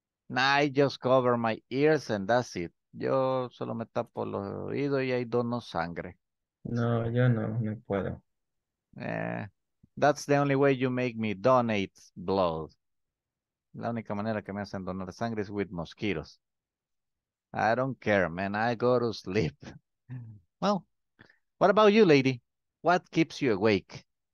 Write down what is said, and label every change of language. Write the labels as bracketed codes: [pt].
[en] Nah, I just cover my ears and that's it. [es] Yo solo me tapo los oídos y ahí dono sangre. No, yo no puedo. [en] That's the only way you make me donate blood. [es] La única manera que me hacen donar sangre [en] is with mosquitoes. I don't care, man. I go to sleep. Well, what about you, lady? What keeps you awake?